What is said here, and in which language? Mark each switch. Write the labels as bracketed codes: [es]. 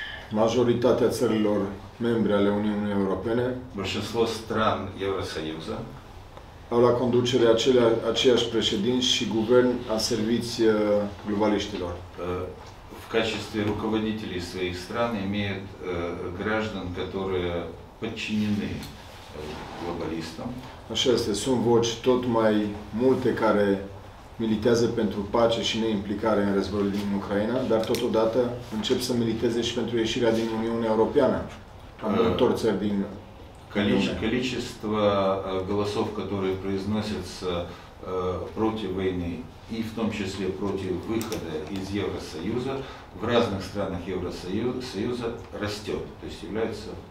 [ro] Majoritatea țărilor membre ale Uniunii Europene, [ru] большинство стран Евросоюза, [ro] au la conducere aceiași președinți și guvern a serviții globaliștilor. [ru] В качестве руководителей своих стран имеют граждан, которые подчинены глобалистам. [ro] Așa este, sunt voci tot mai multe care militează pentru pace și neimplicare în războiul din Ucraina, dar totodată încep să militeze și pentru ieșirea din Uniunea Europeană, a multor țări din [ru] Количество голосов, которые произносятся против войны и в том числе против выхода из Евросоюза, в разных странах Евросоюза растет, то есть является...